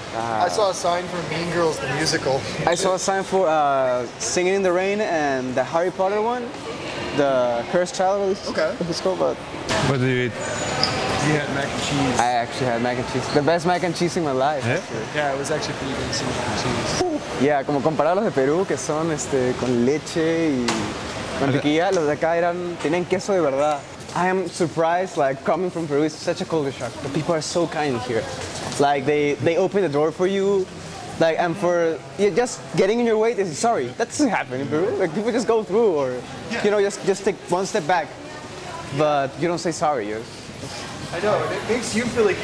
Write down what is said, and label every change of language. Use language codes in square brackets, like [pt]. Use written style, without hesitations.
[en] I saw a sign for Mean Girls, the musical. I saw a sign for Singing in the Rain and the Harry Potter one. The Cursed Child was. Okay. If it's cool, but. What do you eat? You had mac and cheese. I actually had mac and cheese. The best mac and cheese in my life. Yeah, yeah, it was actually pretty good, some mac and cheese. [es] Yeah, como comparar los de Perú, que son con leche y mantequilla, los de acá eran, tienen queso de verdad. [en] I am surprised, like, coming from Peru, it's such a culture shock. The people are so kind here. Like, they open the door for you, like, and for, just getting in your way, they say, sorry, that doesn't happen in Peru. Like, people just go through or, you know, just take one step back. But you don't say sorry. I know, it makes you feel like...